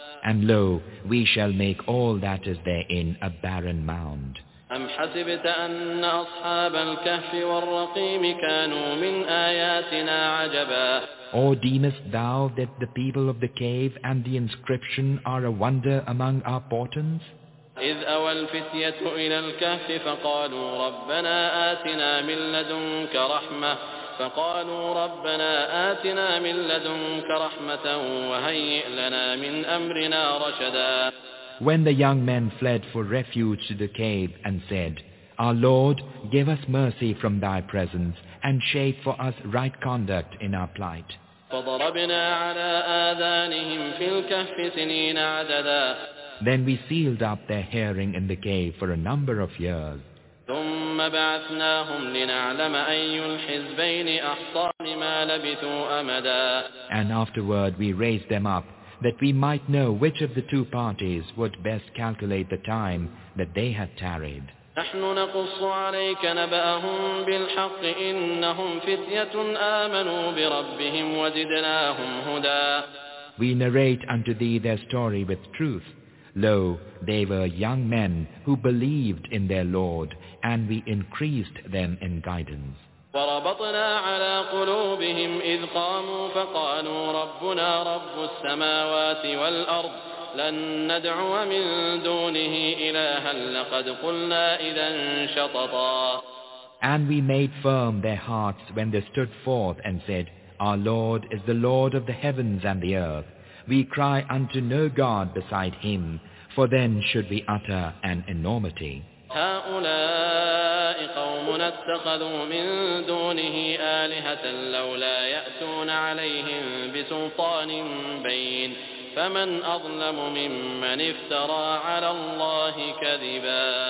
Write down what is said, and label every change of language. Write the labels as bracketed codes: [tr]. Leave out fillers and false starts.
[en] And lo, we shall make all that is therein a barren mound. [ar] أَمْ حَسِبْتَ أَنَّ أَصْحَابَ الْكَهْفِ وَالرَّقِيمِ كَانُوا مِنْ آيَاتِنَا عَجَبًا [en] Or deemest thou that the people of the cave and the inscription are a wonder among our portents? [ar] إذ أوى الفتية إلى الكهف فقالوا ربنا آتنا من لدنك رحمة فقالوا ربنا آتنا من لدنك رحمة وهيئ لنا من أمرنا رشدا [en] When the young men fled for refuge to the cave and said, Our Lord, give us mercy from thy presence and shape for us right conduct in our plight. [ar] فضربنا على آذانهم في الكهف سنين عددا [en] Then we sealed up their hearing in the cave for a number of years. [ar] ثم بعثناهم لنعلم أي الحزبين أحصى لما لبثوا أمدا [en] And afterward we raised them up that we might know which of the two parties would best calculate the time that they had tarried. [ar] نحن نقص عليك نبأهم بالحق إنهم فتية آمنوا بربهم وزدناهم هدى. [en] We narrate unto thee their story with truth. Lo, they were young men who believed in their Lord, and we increased them in guidance. [ar] وربطنا على قلوبهم إذ قاموا فقالوا ربنا رب السماوات والأرض لن ندعو من دونه إلها لقد قلنا إذا شططا. [en] And we made firm their hearts when they stood forth and said, Our Lord is the Lord of the heavens and the earth. We cry unto no God beside him, for then should we utter an enormity. [ar] هؤلاء قومنا اتخذوا من دونه آلهة لولا يأتون عليهم بسلطان بين فمن أظلم ممن افترى على الله كذبا.